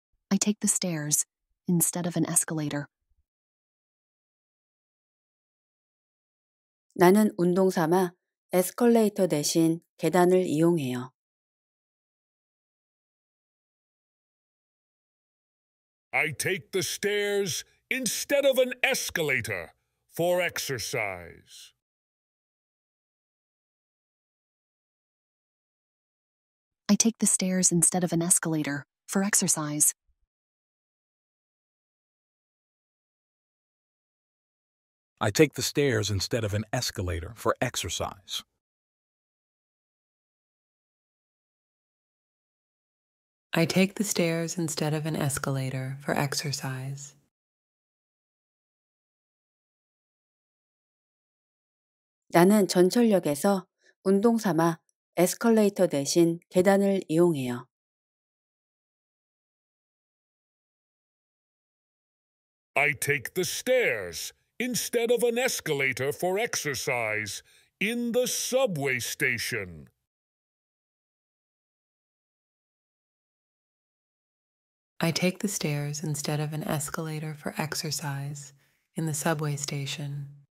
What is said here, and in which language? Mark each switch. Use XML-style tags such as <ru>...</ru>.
<en>I take the stairs instead of an escalator.</en> <ko>나는 운동 삼아 에스컬레이터 대신 계단을 이용해요.</ko> <en>I take the stairs instead of an escalator for exercise. I take the stairs instead of an escalator for exercise. I take the stairs instead of an escalator for exercise. I take the stairs instead of an escalator for exercise.</en> <ko>"나는 전철역에서 운동 삼아 에스컬레이터 대신 계단을 이용해요."</ko> <en>I take the stairs instead of an escalator for exercise in the subway station. I take the stairs instead of an escalator for exercise in the subway station.</en>